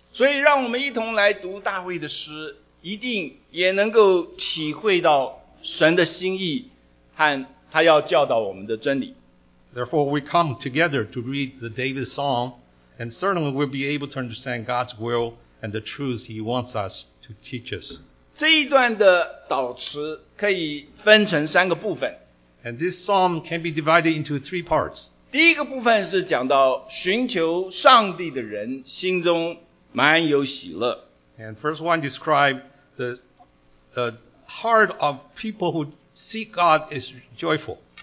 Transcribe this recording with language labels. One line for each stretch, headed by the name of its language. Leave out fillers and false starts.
Chinese: 所以让我们一同来读大卫的诗, 一定也能够体会到神的心意, 和他要教导我们的真理。
English: Therefore, we come together to read the David Psalm, and certainly we'll be able to understand God's will and the truths He wants us to teach us.
Chinese: 这一段的导词可以分成三个部分。
English: And this psalm can be divided into three parts.
Chinese: 第一个部分是讲到寻求上帝的人心中满有喜乐。
English: And first one describes the heart of people who seek God is joyful.